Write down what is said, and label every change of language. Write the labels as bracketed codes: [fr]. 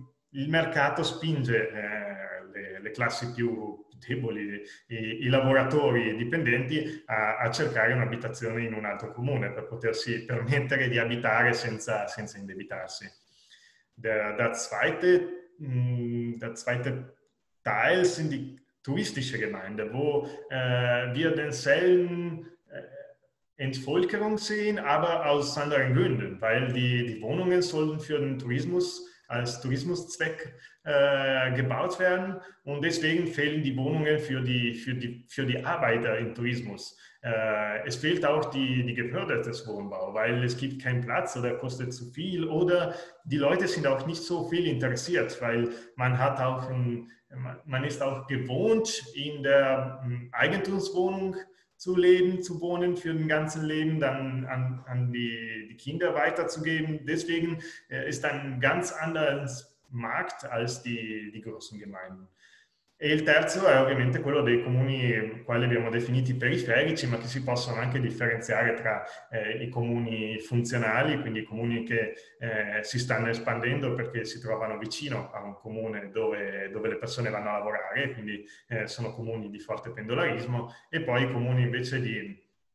[it] il mercato spinge le classi più deboli, i lavoratori dipendenti a cercare un'abitazione in un altro comune per potersi permettere di abitare senza indebitarsi. [de] Der zweite Teil sind die touristische Gemeinde, wo wir denselben Entvölkerung sehen, aber aus anderen Gründen, weil die Wohnungen sollen für den Tourismus als Tourismuszweck gebaut werden und deswegen fehlen die Wohnungen für die Arbeiter im Tourismus. Es fehlt auch die geförderte Wohnbau, weil es gibt keinen Platz oder kostet zu viel oder die Leute sind auch nicht so viel interessiert, weil man ist auch gewohnt, in der Eigentumswohnung zu leben, zu wohnen für ein ganzes Leben, dann an die Kinder weiterzugeben. Deswegen ist ein ganz anderes Markt als die großen Gemeinden. [it] E il terzo è ovviamente quello dei comuni, quali abbiamo definiti periferici, ma che si possono anche differenziare tra i comuni funzionali, quindi i comuni che si stanno espandendo perché si trovano vicino a un comune dove le persone vanno a lavorare, quindi sono comuni di forte pendolarismo, e poi i comuni invece di